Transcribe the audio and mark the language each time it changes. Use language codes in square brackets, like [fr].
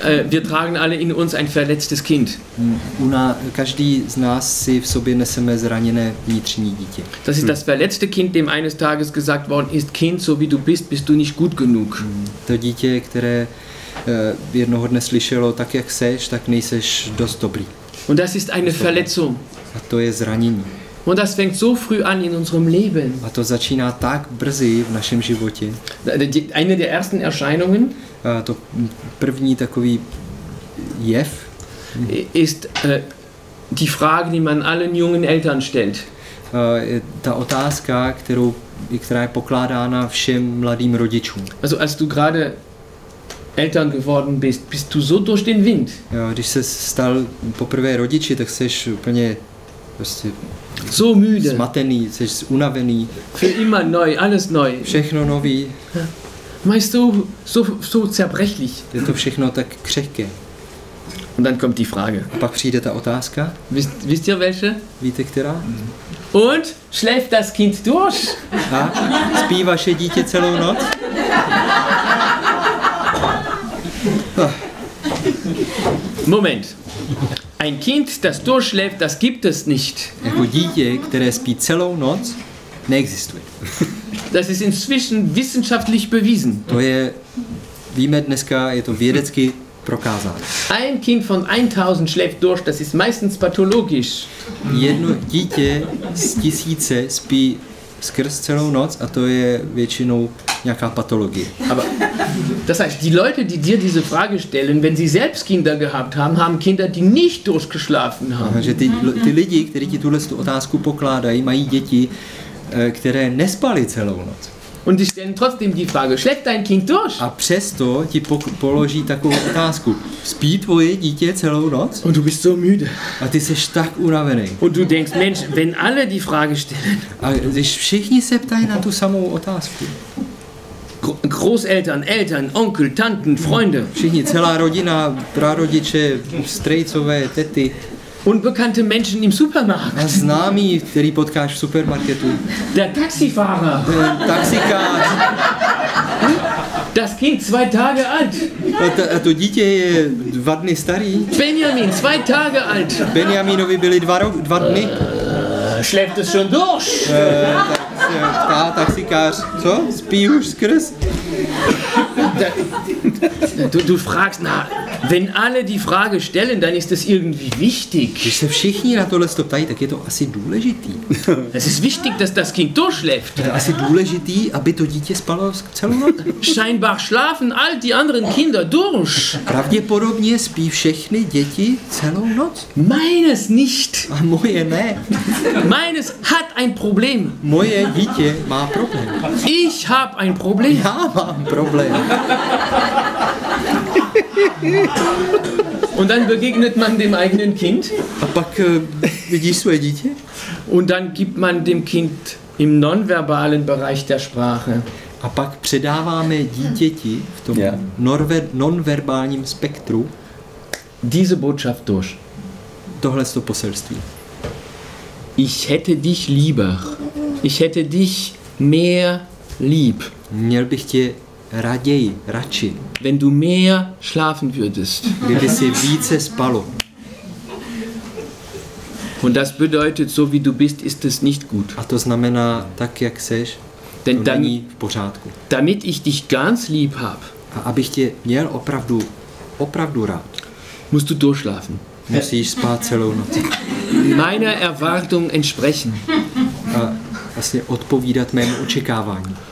[de] Wir tragen alle in uns ein verletztes Kind. [cs] Každý z nás si v sobě neseme zraněné vnitřní dítě. [de] Das ist das verletzte Kind, dem eines Tages gesagt worden ist, Kind, so wie du bist du nicht gut genug. [cs] To dítě, které jednoho dne slyšelo, tak jak seš, tak nejseš dost dobrý. [de] Und das ist eine Verletzung. [cs] A to je zranění. [de] Und das fängt so früh an in unserem Leben. [cs] A to začíná tak brzy v našem životě. [de] Eine der ersten Erscheinungen. [cs] A to první takový jev. [de] Ist die Frage, die man allen jungen Eltern stellt. [cs] Ta otázka, která je pokládána všem mladým rodičům. [de] Also als du gerade Eltern geworden bist du so durch den Wind. [cs] Ja, když ses stal poprvé rodiči, tak seš úplně prostě [de] so müde. [cs] Zmatený, jsi unavený. [de] Für immer neu, alles neu. [cs] Všechno nový. [de] Meist so zerbrechlich. [cs] Je to všechno tak křehké. [de] Und dann kommt die Frage. [cs] A pak přijde ta otázka. [de] Wisst ihr welche? [cs] Víte která? [de] Und schläft das Kind durch? [cs] A spí vaše dítě celou noc? [de] Moment. Ein Kind, das durchschläft, das gibt es nicht. [cs] Jako dítě, které spí celou noc, neexistuje. [de] Das ist inzwischen wissenschaftlich bewiesen. [cs] To je, víme dneska, je to vědecky prokázat. [de] Ein Kind von 1000 schläft durch, das ist meistens pathologisch. [cs] Jedno dítě z tisíce spí skrz celou noc a to je většinou nějaká patologie. [de] Aber das heißt, die Leute, die dir diese Frage stellen, wenn sie selbst Kinder gehabt haben, haben Kinder, die nicht durchgeschlafen haben. [cs] Takže ty lidi, kteří ti tuhle otázku pokládají, mají děti, které nespaly celou noc. [de] Und ich stelle trotzdem die Frage, schläft dein Kind durch? [cs] A přesto ti položí takovou otázku. Spí tvoje dítě celou noc? [de] Und du bist so müde. [cs] A ty jsi tak unavený. [de] Und du denkst, Mensch, wenn alle die Frage stellen. [cs] A když všichni se ptají na tu samou otázku. [de] Großeltern, Eltern, Onkel, Tanten, Freunde. [cs] Všichni, celá rodina, prarodiče, strejcové, tety. [de] Unbekannte Menschen im Supermarkt. [cs] A známí, který potkáš v supermarketu. [de] Der Taxifahrer. [cs] Ten taxikář. [de] Das Kind zwei Tage alt. [cs] A to dítě je dva dny starý. [de] Benjamin, zwei Tage alt. [cs] Benjaminovi byly dva dny. [de] Schläft es schon durch. [cs] Tak taxikář, co? Spí už skrz? [de] Du fragst nach. Wenn alle die Frage stellen, dann ist es irgendwie wichtig. [cs] Když se všichni na tohle ptají, tak je to asi důležitý. [de] Es ist wichtig, dass das Kind durchschläft. [cs] Je asi důležitý, aby to dítě spalo celou noc. [de] Scheinbar schlafen all die anderen Kinder durch. [cs] Pravděpodobně spí všechny děti celou noc. [de] Meines nicht. [cs] A moje ne. [de] Meines hat ein Problem. [cs] Moje dítě má problém. [de] Ich hab ein Problem. [cs] Já mám problém. [de] Und dann begegnet man dem eigenen Kind. [cs] A pak vidíš svoje dítě? [de] Und dann gibt man dem Kind im nonverbalen Bereich der Sprache. [cs] A pak předáváme dítěti v tom nonverbálním spektru [de] diese Botschaft durch. [cs] Tohle je to poselství. [de] Ich hätte dich lieber. Ich hätte dich mehr lieb. [cs] Měl bych tě raději, radši. [de] Wenn du mehr schlafen würdest. [cs] Kdyby si více spalo. [de] Und das bedeutet, so wie du bist, ist es nicht gut. [cs] A to znamená, tak jak seš, denn to není v pořádku. [de] Damit ich dich ganz lieb hab. [cs] A abych tě měl opravdu rád. [de] Musst du durchschlafen. [cs] Musíš spát celou noc. [de] Meiner Erwartung entsprechen. [cs] A vlastně odpovídat mému očekávání.